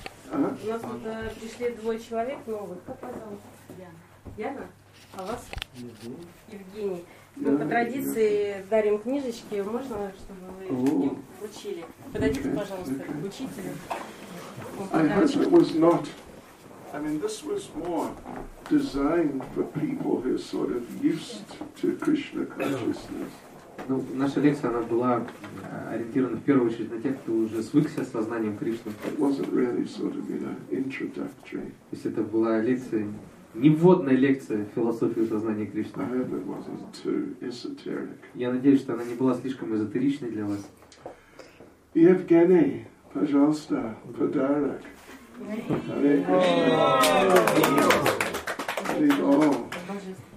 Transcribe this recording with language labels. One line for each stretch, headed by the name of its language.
Russian: У нас вот пришли двое человек новых. Как вас зовут? Яна. А вас? Евгений. Мы по традиции дарим книжечки. Можно, чтобы вы им вручили? Подойдите, пожалуйста, к учителю.
English: I heard it was not... I mean, this was more designed for people who are sort of used to Krishna consciousness.
Russian: Ну, наша лекция, она была ориентирована в первую очередь на тех, кто уже свыкся с сознанием Кришны.
English: It wasn't really sort of, you know, introductory.
Russian: То есть это была лекция, не вводная лекция в философию сознания Кришны.
English: I hope it wasn't too esoteric.
Russian: Я надеюсь, что она не была слишком эзотеричной для вас. Евгений, пожалуйста, подарок.
Sanskrit: Hare Krishna. Hare Krishna.